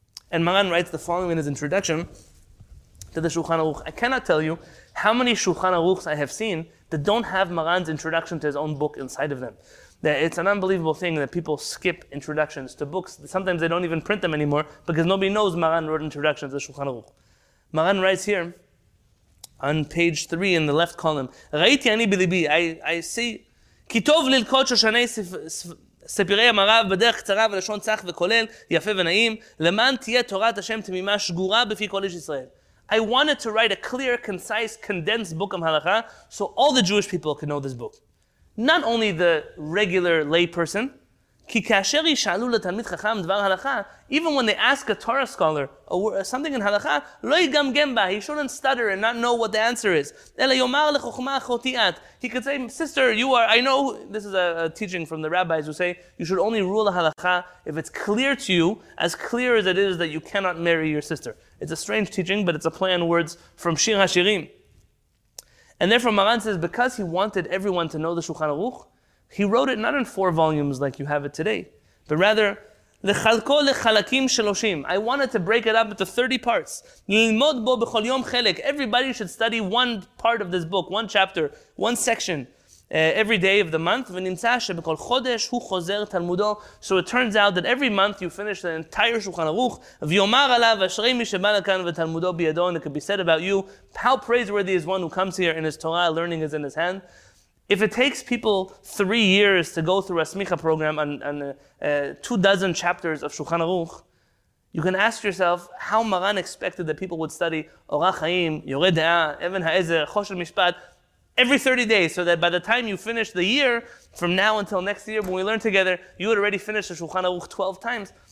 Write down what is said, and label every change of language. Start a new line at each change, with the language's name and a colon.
English: And Maran writes the following in his introduction to the Shulchan Aruch. I cannot tell you how many Shulchan Aruchs I have seen that don't have Maran's introduction to his own book inside of them. That it's an unbelievable thing that people skip introductions to books. Sometimes they don't even print them anymore because nobody knows Maran wrote introductions to the Shulchan Aruch. Maran writes here on page 3 in the left column,
Hebrew: Ra'iti ani bilibi,
English: I see,
Hebrew: ki tov lilkot shoshanei ספירי המרב בדרך קצרה ולשון צח וכולל יפה ונעים למען תהיה תורת השם תמימה שגורה בפי כל איש ישראל.
English: I wanted to write a clear, concise, condensed book of halakha so all the Jewish people can know this book. Not only the regular lay person.
Hebrew: כי כאשר ישאלו לתלמיד חכם דבר הלכה,
English: even when they ask a Torah scholar something in halakha,
Hebrew: לא יגמגם בה,
English: he shouldn't stutter and not know what the answer is.
Hebrew: אלא יאמר לחוכמה חוטיאת.
English: He could say, sister, you are, I know, this is a teaching from the rabbis who say, you should only rule a halakha if it's clear to you, as clear as it is that you cannot marry your sister. It's a strange teaching, but it's a play on words from Shir HaShirim. And therefore Maran says, because he wanted everyone to know the Shulchan Aruch, he wrote it not in four volumes like you have it today, but rather,
Hebrew: לחלקו לחלקים שלושים.
English: I wanted to break it up into 30 parts.
Hebrew: ללמוד בו בכל יום חלק.
English: Everybody should study one part of this book, one chapter, one section, every day of the month.
Hebrew: ונמצא שבכל חודש הוא חוזר תלמודו.
English: So it turns out that every month you finish the entire Shulchan Aruch.
Hebrew: ויאמר עליו, אשרי מי שבא לכאן ותלמודו בידו.
English: And it could be said about you, how praiseworthy is one who comes here and his Torah learning is in his hand. If it takes people 3 years to go through a smicha program on 2 dozen chapters of Shulchan Aruch, you can ask yourself how Maran expected that people would study Orach Chaim, Yorei Deah, Even HaEzer, Choshen Mishpat, every 30 days, so that by the time you finish the year, from now until next year, when we learn together, you had already finished the Shulchan Aruch 12 times.